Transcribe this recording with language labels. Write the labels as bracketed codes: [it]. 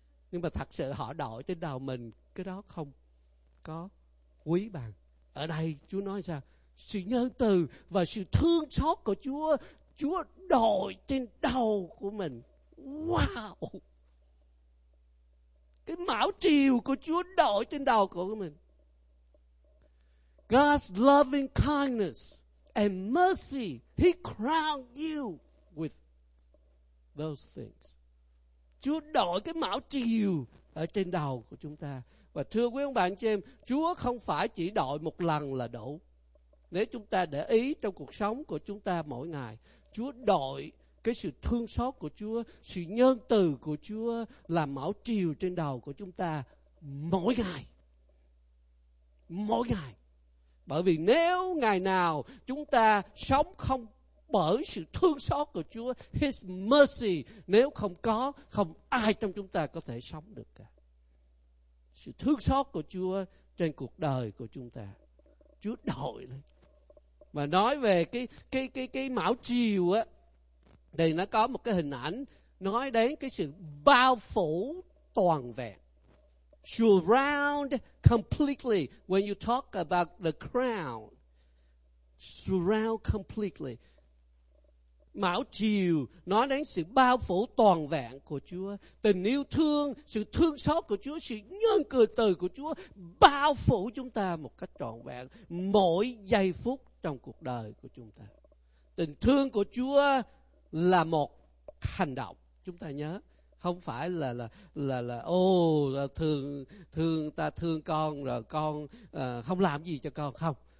[vi] Nhưng mà thật sự họ đội trên đầu mình, cái đó không có quý bằng. Ở đây Chúa nói sao? Sự nhân từ và sự thương xót của Chúa, Chúa đội trên đầu của mình. Wow! Cái mão triều của Chúa đội trên đầu của mình. [en] God's loving kindness and mercy, He crowned you with those things. [vi] Chúa đội cái mão triều ở trên đầu của chúng ta. Và thưa quý ông bạn chị em, Chúa không phải chỉ đội một lần là đủ. Nếu chúng ta để ý trong cuộc sống của chúng ta mỗi ngày, Chúa đội cái sự thương xót của Chúa, sự nhân từ của Chúa là mão triều trên đầu của chúng ta mỗi ngày. Mỗi ngày. Bởi vì nếu ngày nào chúng ta sống không bởi sự thương xót của Chúa, [en] His mercy, [vi] nếu không có, không ai trong chúng ta có thể sống được cả. Sự thương xót của Chúa trên cuộc đời của chúng ta, Chúa đội lên. Mà nói về cái mão triều á, thì nó có một cái hình ảnh nói đến cái sự bao phủ toàn vẹn. [en] Surround completely. When you talk about the crown, surround completely. [vi] Mão triều nói đến sự bao phủ toàn vẹn của Chúa. Tình yêu thương, sự thương xót của Chúa, sự nhân cử từ của Chúa bao phủ chúng ta một cách trọn vẹn mỗi giây phút trong cuộc đời của chúng ta. Tình thương của Chúa là một hành động, chúng ta nhớ, không phải là ô là thương ta thương con rồi con không làm gì cho con, không.